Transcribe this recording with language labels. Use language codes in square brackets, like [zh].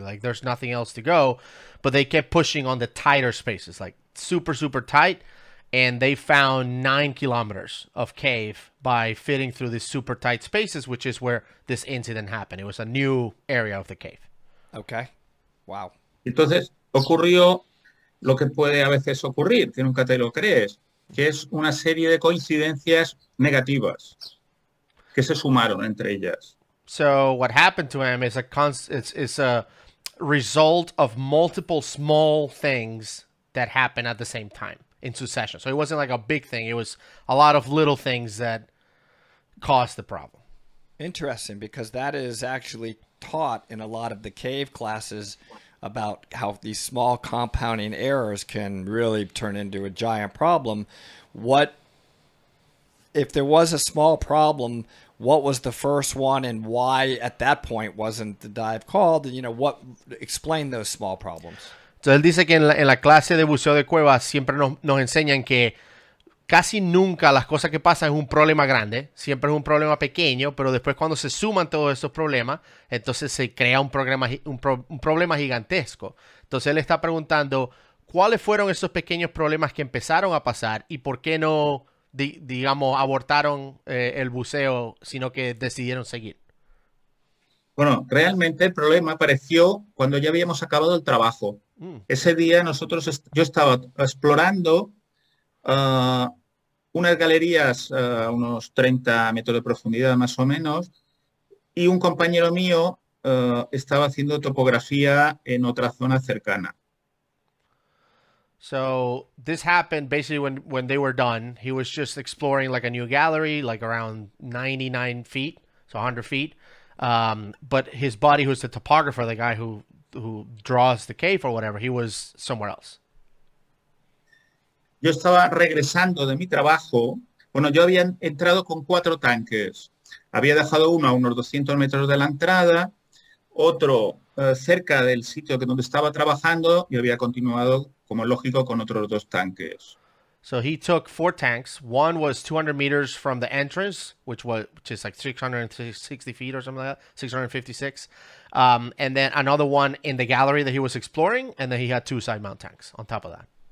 [en] Like, there's nothing else to go. But they kept pushing on the tighter spaces, like, super, super tight. And they found 9 kilometers of cave by fitting through these super tight spaces, which is where this incident happened. It was a new area of the cave. Okay. Wow. [es] Entonces, ocurrió lo que puede a veces ocurrir, que nunca te lo crees, que es una serie de coincidencias negativas. Que se sumaron entre ellas. [en] So what happened to him is a result of multiple small things that happened at the same time in succession. So it wasn't like a big thing. It was a lot of little things that caused the problem. Interesting, because that is actually taught in a lot of the cave classes about how these small compounding errors can really turn into a giant problem. What if there was a small problem? What was the first one, and why at that point wasn't the dive called? You know, what explain those small problems? [es] So él dice que en la clase de buceo de cuevas siempre nos enseñan que casi nunca las cosas que pasan es un problema grande, siempre es un problema pequeño, pero después cuando se suman todos esos problemas, entonces se crea un problema gigantesco. Entonces él está preguntando, ¿cuáles fueron esos pequeños problemas que empezaron a pasar y por qué no, digamos, abortaron el buceo, sino que decidieron seguir? Bueno, realmente el problema apareció cuando ya habíamos acabado el trabajo. Ese día nosotros yo estaba explorando unas galerías a unos 30 metros de profundidad más o menos, y un compañero mío estaba haciendo topografía en otra zona cercana. [en] So this happened basically when they were done. He was just exploring like a new gallery, like around 99 feet, so 100 feet. But his buddy, who's the topographer, the guy who draws the cave or whatever, he was somewhere else. [es] Yo estaba regresando de mi trabajo. Bueno, yo había entrado con 4 tanques. Había dejado uno a unos 200 metros de la entrada, otro cerca del sitio donde estaba trabajando, y había continuado, como lógico, con otros 2 tanques. [en] So he took 4 tanks. One was 200 meters from the entrance, which is like 660 feet or something like that, 656. And then another one in the gallery that he was exploring, and then he had 2 side mount tanks on top of that.